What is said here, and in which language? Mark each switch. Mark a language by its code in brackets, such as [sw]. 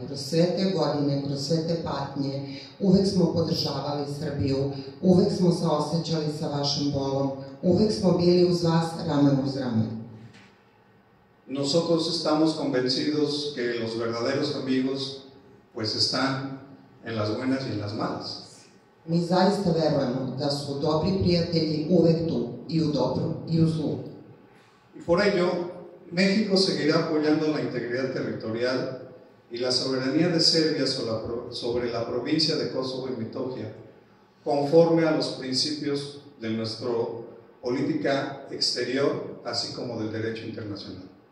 [sr] Kroz sve te godine, kroz sve te patnje, uvek smo podržavali Srbiju, uvek smo saosećali sa vašim bolom, uvek smo bili uz vas rame uz rame. [es] Nosotros estamos convencidos que los verdaderos amigos pues están en las buenas y en las malas. [sr] Mi zaista verujemo da su dobri prijatelji uvek tu i u dobru i u zlu. [es] Por ello, México seguirá apoyando la integridad territorial y la soberanía de Serbia sobre la provincia de Kosovo y Metohija, conforme a los principios de nuestra política exterior, así como del derecho internacional.